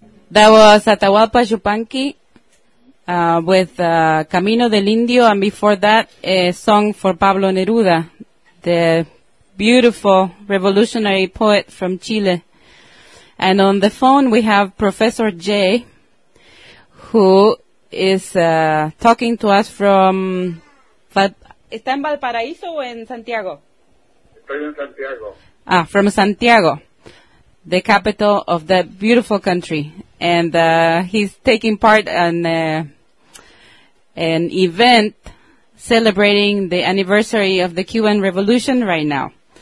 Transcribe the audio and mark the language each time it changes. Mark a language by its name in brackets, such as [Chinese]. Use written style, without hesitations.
[English] That was Atahualpa Yupanqui with Camino del Indio, and before that, a song for Pablo Neruda, the beautiful revolutionary poet from Chile. And on the phone we have Professor Jay, who is talking to us from... [Spanish] ¿Está en Valparaíso o en Santiago? Estoy en Santiago. [English] Ah, from Santiago, the capital of that beautiful country. And he's taking part in an event celebrating the anniversary of the Cuban Revolution right now.